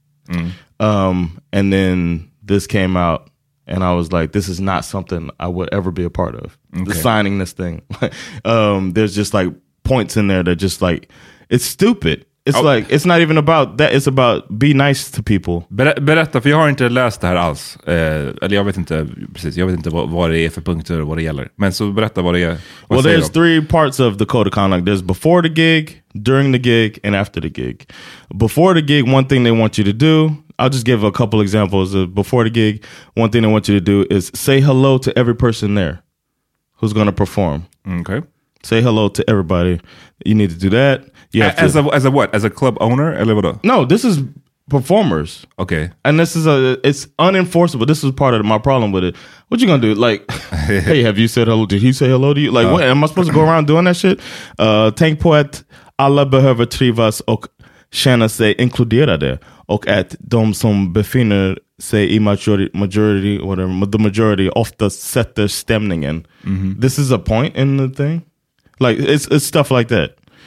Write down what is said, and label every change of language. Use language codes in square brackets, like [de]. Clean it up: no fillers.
[en] And then this came out, and I was like, this is not something I would ever be a part of, signing this thing. There's just like points in there that just like, it's stupid. It's like, it's not even about that. It's about be nice to people. [sv] Berätta, för jag har inte läst det här alls. Eller jag vet inte, precis. Jag vet inte vad det är för punkter och vad det gäller. Men så berätta vad det är. [en] Well, there's three parts of the code of conduct. There's before the gig, during the gig, and after the gig. Before the gig, one thing they want you to do, I'll just give a couple examples. Before the gig, one thing they want you to do is say hello to every person there who's going to perform. Okay. Say hello to everybody. You need to do that. You have as a what? As a club owner? No, this is performers. Okay. And this is it's unenforceable. This is part of my problem with it. What you gonna do? Like, hey, have you said hello? Did he say hello to you? Like, what? Am I supposed to go around doing that shit? [sv] Tänk på att alla behöver trivas och känna sig inkluderade. Och att de som befinner sig i [en] majority, whatever, the majority [sv] oftast sätter stämningen. Mm-hmm. [en] This is a point in the thing. Like, it's stuff like that.